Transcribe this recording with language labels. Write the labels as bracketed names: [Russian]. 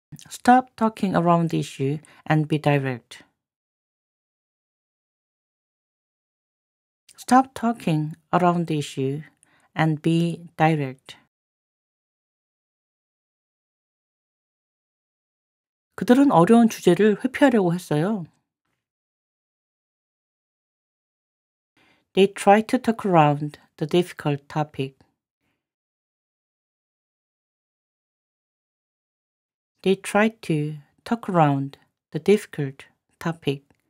[English] Stop talking around the issue and be direct. Stop talking around the issue and be direct. [Korean] 그들은 어려운 주제를 회피하려고 했어요. [English] They tried to talk around the difficult topic. They tried to talk around the difficult topic.